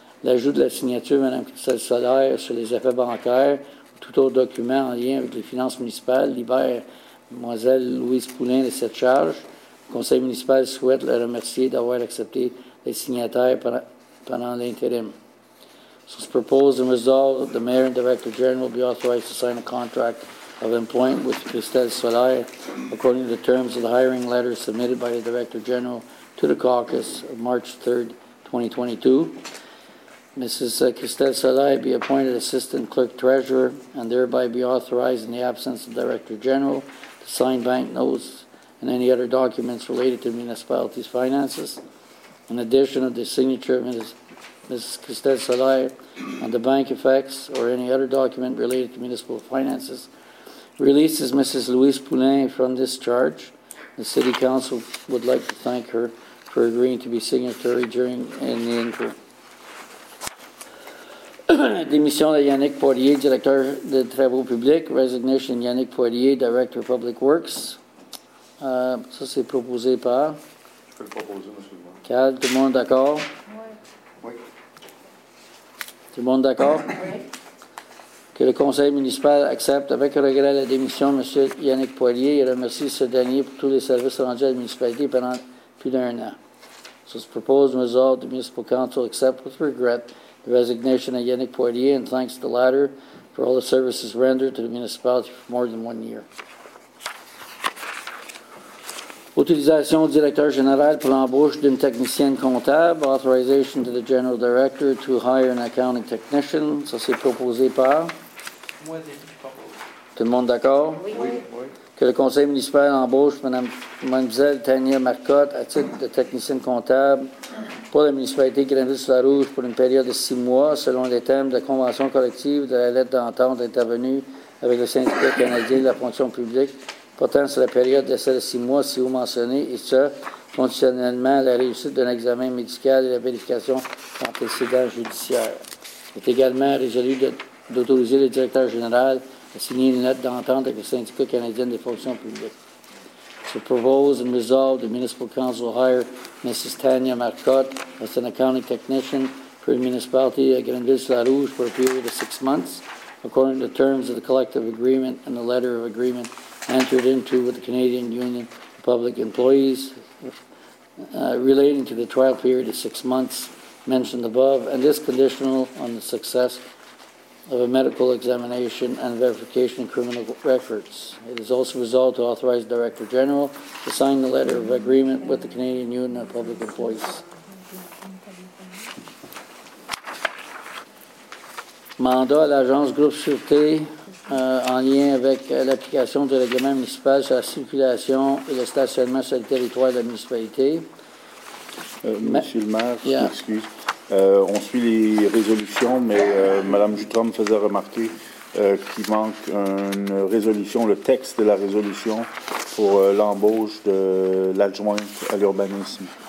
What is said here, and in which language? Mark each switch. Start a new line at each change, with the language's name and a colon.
French: L'ajout de la signature Mme Christelle Solaire sur les effets bancaires ou tout autre document en lien avec les finances municipales libère Mlle Louise Poulin de cette charge. Le conseil municipal souhaite le remercier d'avoir accepté les signataires pendant l'intérim.
English: So it's proposed and resolved that the mayor and director general be authorized to sign a contract of employment with Christelle Solaire according to the terms of the hiring letter submitted by the director general to the caucus of March 3, 2022. Mrs. Christelle Solaire be appointed assistant clerk treasurer and thereby be authorized in the absence of the director general to sign bank notes and any other documents related to the municipality's finances. In addition of the signature of Mrs. Christelle Solaire on the bank effects or any other document related to municipal finances, releases Mrs. Louise Poulin from this charge. The City Council would like to thank her for agreeing to be signatory during in the interim.
French: Démission de Yannick Poirier, Directeur de Travaux Publics.
English: Resignation Yannick Poirier, Director of Public Works.
French: Ça, c'est proposé par... Tout le monde d'accord? Oui. Tout le monde d'accord? Oui. Que le conseil municipal accepte avec regret la démission de M. Yannick Poirier et remercie ce dernier pour tous les services rendus à la municipalité pendant plus d'un an.
English: So it's proposed and resolved the municipal council accept with regret the resignation of Yannick Poirier and thanks the latter for all the services rendered to the municipality for more than 1 year.
French: Autorisation du directeur général pour l'embauche d'une technicienne comptable.
English: Authorization to the general director to hire an accounting technician.
French: Ça, c'est proposé par? Tout le monde d'accord? Oui. Que le conseil municipal embauche Mme Mlle Tania Marcotte à titre de technicienne comptable pour la municipalité Grainville-sous-la-Rouge pour une période de 6 mois selon les termes de la convention collective de la lettre d'entente intervenue avec le syndicat canadien de la fonction publique portant sur la période d'essai de 6 mois ci-haut mentionnée et ce, conditionnellement à la réussite d'un examen médical et la vérification d'antécédents judiciaires. Il est également résolu d'autoriser le directeur général a signé une lettre d'entente avec le syndicat canadien des fonctions publiques.
English: To propose and resolve the municipal council hire Mrs. Tania Marcotte as an accounting technician for the municipality of Grainville-sous-la-Rouge for a period of 6 months, according to the terms of the collective agreement and the letter of agreement entered into with the Canadian Union of Public Employees relating to the trial period of 6 months mentioned above, and this conditional on the success of a medical examination and verification of criminal records. It is also resolved to authorize the Director General to sign the letter of agreement with the Canadian Union of Public Employees.
French: Mandat à l'Agence Groupe Sûreté en lien avec l'application du règlement municipal sur la circulation et le stationnement sur le territoire de la municipalité. Monsieur le maire, yeah. Excuse. On suit les résolutions, mais Mme Jutram faisait remarquer qu'il manque une résolution, le texte de la résolution pour l'embauche de l'adjointe à l'urbanisme.